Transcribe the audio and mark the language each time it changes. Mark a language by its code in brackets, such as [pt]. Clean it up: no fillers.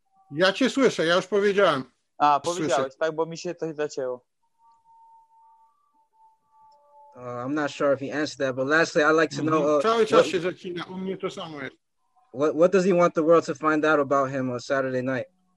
[pl] Ja cię słyszę, ja już powiedziałem. A, powiedziałeś, słyszę. Tak, bo mi się coś zacięło. [en] I'm not sure if he answered that, but lastly, I'd like to know... [pl] Cały czas się zacina, u mnie to samo jest. [en] What does he want the world to find out about him on Saturday night?